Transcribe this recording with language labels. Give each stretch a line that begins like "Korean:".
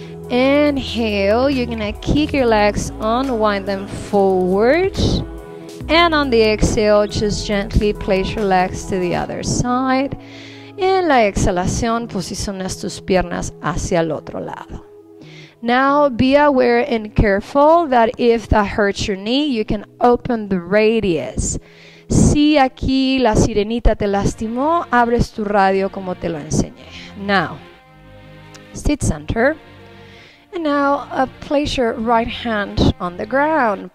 English: Inhale, you're gonna kick your legs, unwind them forward. And on the exhale, just gently place your legs to the other side.
Spanish: En la exhalación, posicionas tus piernas hacia el otro lado.
English: Now, be aware and careful that if that hurts your knee, you can open the radius.
Spanish: Si aquí la sirenita te lastimó, abres tu radio como te lo enseñé.
English: Now, sit center. And now, place your right hand on the ground.